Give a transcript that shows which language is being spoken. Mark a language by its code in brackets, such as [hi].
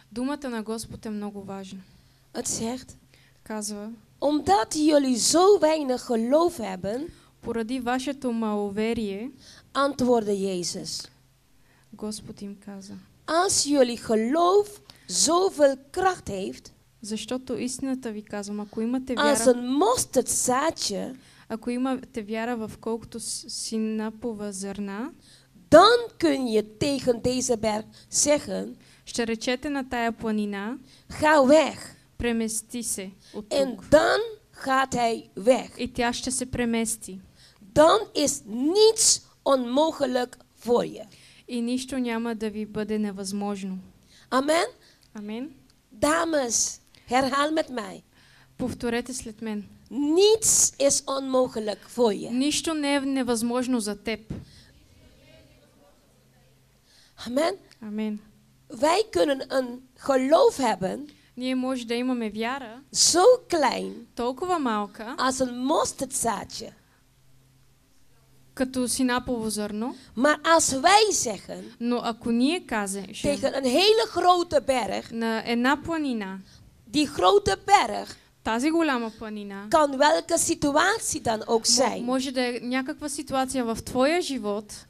[bg] Думата на Господ е много важна. [nl] Het zegt. [bg] Казва. [nl] Omdat jullie zo weinig geloof hebben. [bg] Поради вашето маловерие. [nl] Antwoordde Jezus. [bg] Господ им каза. [nl] Als jullie geloof zoveel kracht heeft. [bg] Защото истината ви казвам, ако имате вяра. [nl] Als een mosterd zaadje. [bg] Ако имате вяра в колкото синапова зърна. [nl] Dan kun je tegen deze berg zeggen. [bg] Ще речете на тая планина. [nl] Ga weg. [bg] Премести се. [nl] En dan gaat hij weg. [bg] И тя ще се премести. [nl] Dan is niets onmogelijk voor je. [bg] И нищо няма да ви бъде невъзможно. Амен. Амен. [nl] Дамес, herhaal met mij. [bg] Повторете след мен. [nl] Niets is onmogelijk voor je. [bg] Нищо не е невъзможно за теб. Амен. Амен. [nl] Wij kunnen een geloof hebben. [bg] Ние може да имаме вяра. [nl] Zo klein. [bg] Толкова малка. [nl] Als een mosterdzaadje. [bg] Като синапово зърно. [nl] Maar als wij zeggen. [bg] Но ако ние кажем. [nl] Tegen een hele grote berg. [bg] На една планина. [nl] Die grote berg. [bg] Тази голяма планина. [nl] Kan welke situatie dan ook zijn. [bg] Може да е някаква ситуация в твоя живот.